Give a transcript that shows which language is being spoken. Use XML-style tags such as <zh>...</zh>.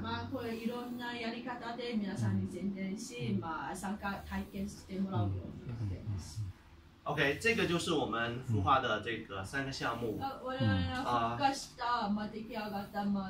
<ja>まあこれいろんなやり方で皆さんに宣伝し、まあ参加体験してもらうようにしています</ja> <zh>。OK, 这个就是我们孵化的这个三个项目。</zh> <ja>我々が孵化した、まあ出来上がった、ま</ja>